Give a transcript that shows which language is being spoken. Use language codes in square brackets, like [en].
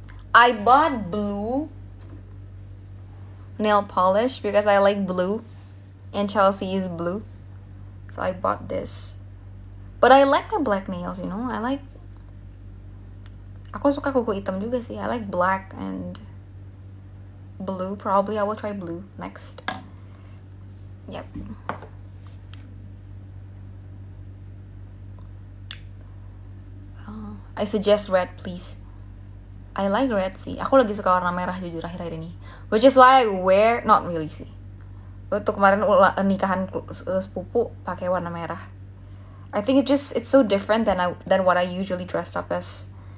[en] I bought blue nail polish because I like blue. And Chelsea is blue. So I bought this. But I like my black nails, you know? I like... [id] Aku suka kuku hitam juga sih. [en] I like black and... blue. Probably I will try blue next. Yep. I suggest red, please. I like red sih. [id] Aku lagi suka warna merah jujur akhir-akhir ini. [en] Which is why I wear, not really [id] sih. Untuk kemarin nikahan sepupu pakai warna merah. [en] I think it's so different than what I usually dress up as.